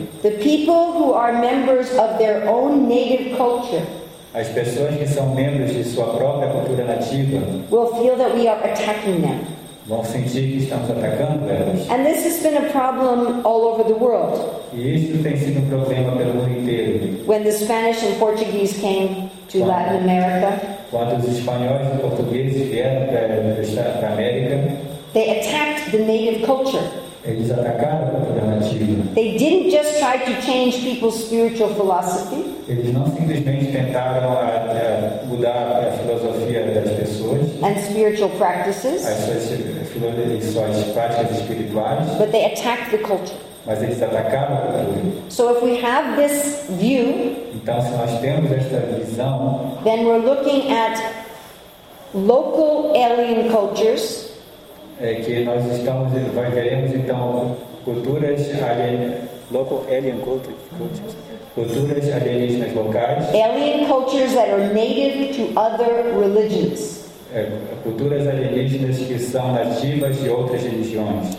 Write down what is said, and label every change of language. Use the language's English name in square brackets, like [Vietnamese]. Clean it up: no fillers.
[English] The people who are members of their own native culture. [Portuguese] As pessoas que são membros de sua própria cultura nativa [English] will feel that we are attacking them. [Portuguese] Vão sentir que estamos atacando elas. [English] And this has been a problem all over the world. [Portuguese] E isso tem sido um problema pelo mundo inteiro. [English] When the Spanish and Portuguese came, to Latin America. [Portuguese] Quando os espanhóis e portugueses vieram para a América, [English] they attacked the native culture. [Portuguese] Eles atacaram a cultura nativa. [English] They didn't just try to change people's spiritual philosophy. [Portuguese] Eles não simplesmente tentaram mudar a filosofia das pessoas. [English] And spiritual practices. [Portuguese] As suas práticas espirituais. [English] But they attacked the culture. [Portuguese] Mas eles atacaram a cultura. [English] So if we have this view, [Portuguese] então se nós temos esta visão, [English] then we're looking at local alien cultures. [Portuguese] É que nós estamos, vai veremos então culturas alien, [English] local alien cultures, [Portuguese] culturas alienígenas locais, [English] alien cultures that are native to other religions. [Portuguese] Culturas alienígenas que são nativas de outras religiões.